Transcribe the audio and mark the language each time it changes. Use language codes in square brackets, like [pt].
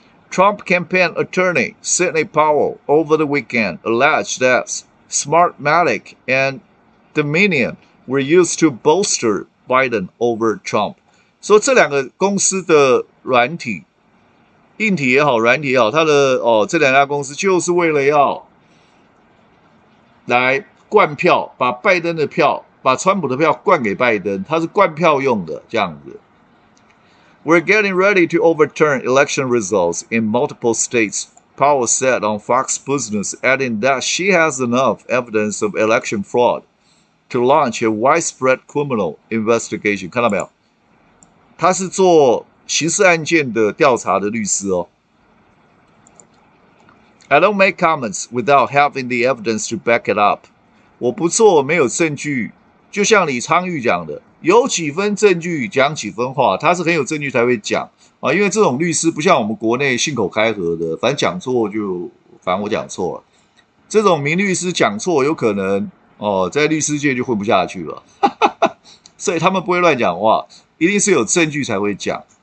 [en] Trump campaign attorney Sidney Powell over the weekend alleged that Smartmatic and Dominion were used to bolster Biden over Trump. [zh] 说这两个公司的软体，硬体也好，软体也好，他的哦，这两家公司就是为了要来灌票，把拜登的票，把川普的票灌给拜登，他是灌票用的这样子。 [en] We're getting ready to overturn election results in multiple states, Powell said on Fox Business, adding that she has enough evidence of election fraud to launch a widespread criminal investigation. [zh] 看到没有？他是做刑事案件的调查的律师哦。 [en] I don't make comments without having the evidence to back it up. [zh] 我不做没有证据，就像李昌钰讲的。有几分证据讲几分话，他是很有证据才会讲、因为这种律师不像我们国内信口开河的，反正讲错就反正我讲错了，这种名律师讲错有可能、在律师界就混不下去了，所以他们不会乱讲话，一定是有证据才会讲。